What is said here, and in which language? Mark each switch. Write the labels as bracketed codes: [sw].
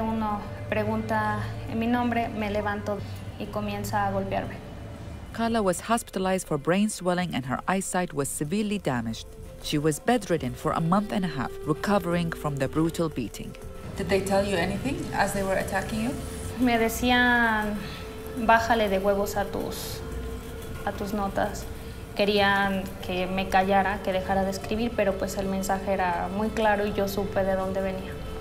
[es] Uno pregunta mi nombre, me levanto y comienza a golpearme. [en] Carla was hospitalized for brain swelling and her eyesight was severely damaged. She was bedridden for a month and a half, recovering from the brutal beating. Did they tell you anything as they were attacking you? [es] Me decían, bájale de huevos a tus notas. Querían que me callara, que dejara de escribir, pero pues el mensaje era muy claro y yo supe de dónde venía.